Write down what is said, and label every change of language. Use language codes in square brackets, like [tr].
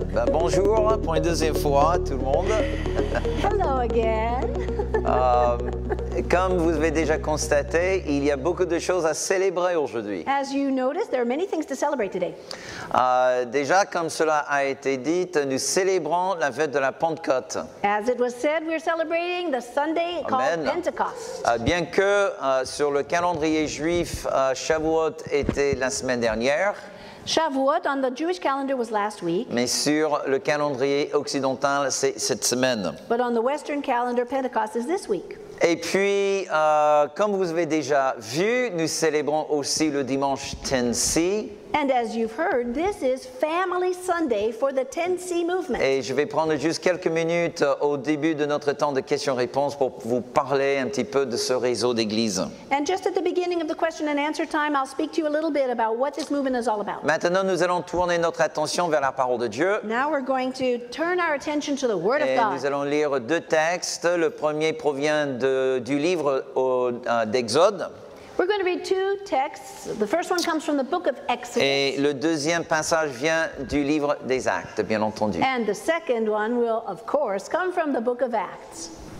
[fr] Ben bonjour pour une deuxième fois tout le monde. [en] Hello again. [fr] Comme vous avez déjà constaté, il y a beaucoup de choses à célébrer aujourd'hui. [en] As you noticed, there are many things to celebrate today. [fr] Déjà, comme cela a été dit, nous célébrons la fête de la Pentecôte. [en] As it was said, we're celebrating the Sunday called Pentecost. [fr] Bien que sur le calendrier juif, Shavuot était la semaine dernière. [en] Shavuot on the Jewish calendar was last week. [fr] Mais sur le calendrier occidental, c'est cette semaine. [en] But on the Western calendar, Pentecost is this week. [fr] Et puis, comme vous avez déjà vu, nous célébrons aussi le dimanche 10C. [en] And as you've heard, this is Family Sunday for the 10C movement. [fr] Et je vais prendre juste quelques minutes au début de notre temps de questions-réponses pour vous parler un petit peu de ce réseau d'églises. [en] And just at the beginning of the question and answer time, I'll speak to you a little bit about what this movement is all about. [fr] Maintenant, nous allons tourner notre attention vers la parole de Dieu. [en] Now we're going to turn our attention to the Word [fr] et [en] of God. [fr] Et nous allons lire deux textes. Le premier provient du livre d'Exode. [en] We're going to read two texts. The first one comes from the book of Exodus. [fr] Et le deuxième passage vient du livre des Actes, bien entendu. [en] And the second one will, of course, come from the book of Acts.